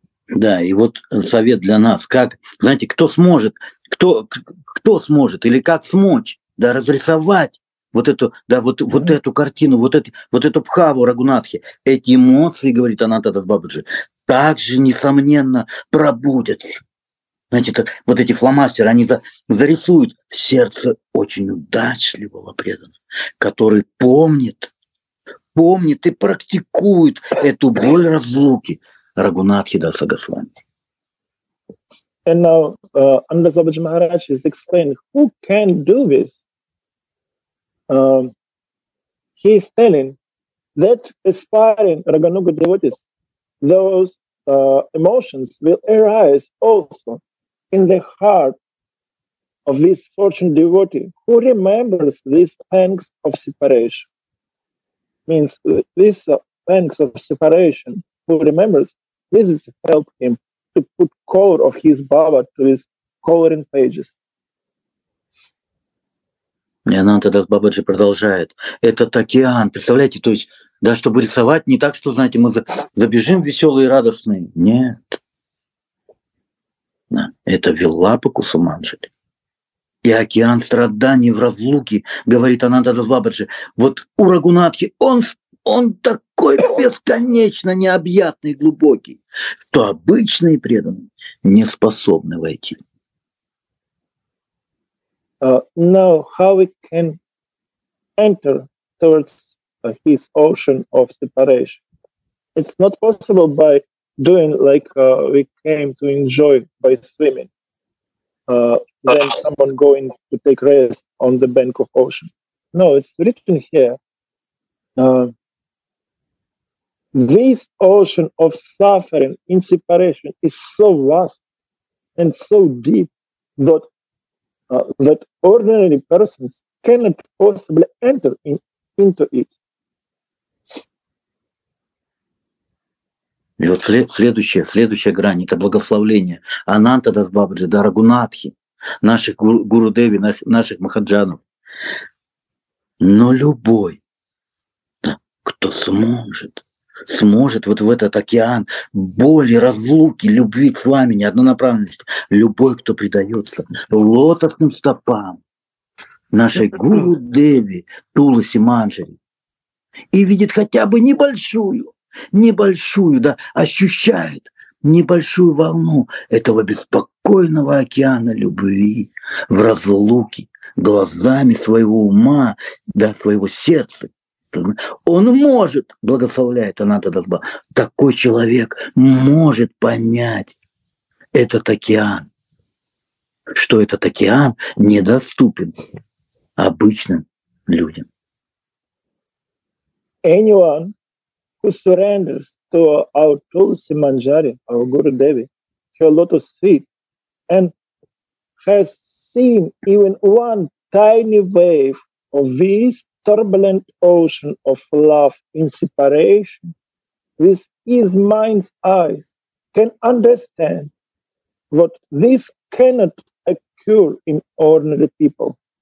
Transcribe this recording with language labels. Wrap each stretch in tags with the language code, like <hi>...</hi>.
<ru>Да, и вот совет для нас, как, знаете, кто сможет, кто сможет или как смочь, да, разрисовать вот эту, да, вот, вот эту картину, вот эту бхаву Рагунатхи, эти эмоции, говорит Ананта Дас Бабаджи, также, несомненно, пробудятся. Знаете, как вот эти фломастеры, они зарисуют сердце очень удачливого преданного, который помнит и практикует эту боль разлуки Рагунатхи Даса Госвами.</ru> <en>And now, Ananda Babaji Maharaj is explaining who can do this. He is telling that aspiring Raganuga devotees, those emotions will arise also in the heart of this fortunate devotee who remembers these pangs of separation. Means these pangs of separation, who remembers, this is help him to put color of his bhava to his coloring pages.</en> <ru>И Ананта Дас Бабаджи продолжает. Этот океан, представляете, то есть, да, чтобы рисовать, не так, что, знаете, мы забежим веселые и радостные. Нет. Да. Это Виллапа Кусуманджари. И океан страданий в разлуке, говорит Ананта Дас Бабаджи. Вот у Рагунатхи он такой бесконечно необъятный и глубокий, что обычные преданные не способны войти.</ru> <en>Now, how we can enter towards his ocean of separation? It's not possible by doing like we came to enjoy by swimming. Then someone going to take rest on the bank of ocean. No, it's written here. This ocean of suffering in separation is so vast and so deep that that ordinary persons cannot possibly enter into it.</en> <ru>И вот следующая грань – это благословление Ананта Дас Бабаджи, да, Рагунатхи, наших гуру-деви, наших махаджанов. Но любой, да, кто сможет вот в этот океан боли, разлуки, любви к вами, неоднонаправленности, любой, кто предается лотосным стопам нашей гуру-деви Туласи Манджари и видит хотя бы небольшую, да, ощущает небольшую волну этого беспокойного океана любви в разлуке глазами своего ума, да, своего сердца. Он может, благословляет Ананта Дас Бабаджи, такой человек может понять этот океан, что этот океан недоступен обычным людям.</ru> <en>Anyone who surrenders to our Tulsi Manjari, our Guru Devi, to a lotus feet, and has seen even one tiny wave of this turbulent ocean of love in separation with his mind's eyes, can understand what this cannot occur in ordinary people.</en>